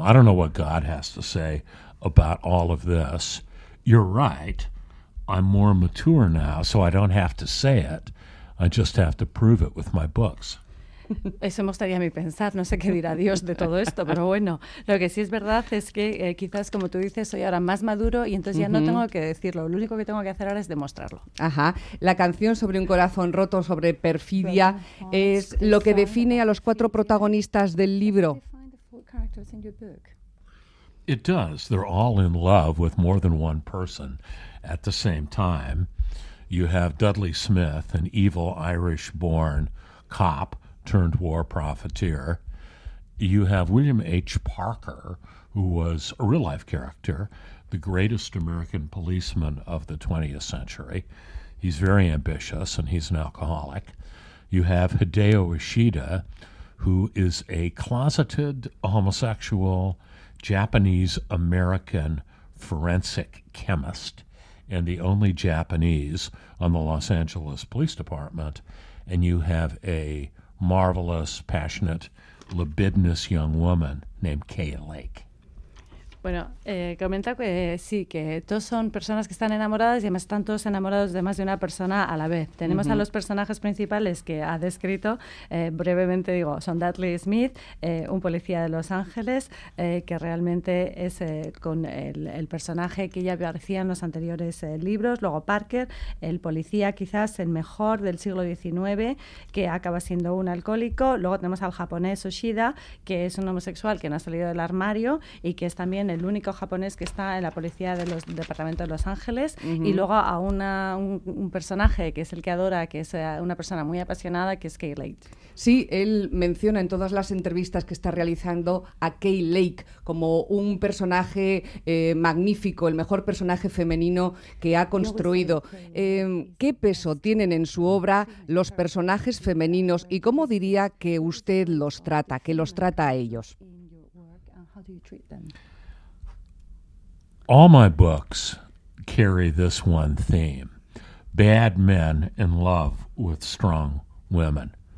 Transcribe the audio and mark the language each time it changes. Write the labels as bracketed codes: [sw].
[en] I don't know what God has to say about all of this. You're right. I'm more mature now, so I don't have to say it. I just have to prove it with my books. [es] Eso me gustaría a mí pensar, no sé qué dirá Dios de todo esto, pero bueno, lo que sí es verdad es que quizás, como tú dices, soy ahora más maduro y entonces ya no tengo que decirlo, lo único que tengo que hacer ahora es demostrarlo. Ajá, la canción sobre un corazón roto, sobre perfidia, es lo que define a los cuatro protagonistas del libro. [en] It does, they're all in love with more than one person at the same time. You have Dudley Smith, an evil Irish-born cop, turned war profiteer. You have William H. Parker, who was a real-life character, the greatest American policeman of the 20th century. He's very ambitious, and he's an alcoholic. You have Hideo Ishida, who is a closeted homosexual Japanese-American forensic chemist and the only Japanese on the Los Angeles Police Department. And you have a marvelous, passionate, libidinous young woman named Kay Lake. [es] Bueno, comenta que sí, que todos son personas que están enamoradas y además están todos enamorados de más de una persona a la vez. Tenemos uh-huh. a los personajes principales que ha descrito, brevemente digo, son Dudley Smith, un policía de Los Ángeles, que realmente es con el personaje que ya aparecía en los anteriores libros. Luego Parker, el policía quizás el mejor del siglo XIX, que acaba siendo un alcohólico. Luego tenemos al japonés Ushida, que es un homosexual que no ha salido del armario y que es también el único japonés que está en la policía de los departamentos de Los Ángeles, uh-huh. y luego a un personaje que es el que adora, que es una persona muy apasionada, que es Kay Lake. Sí, él menciona en todas las entrevistas que está realizando a Kay Lake como un personaje magnífico, el mejor personaje femenino que ha construido. ¿Qué peso tienen en su obra los personajes femeninos y cómo diría que usted los trata, que los trata a ellos? [en] All my books carry this one theme: bad men in love with strong women.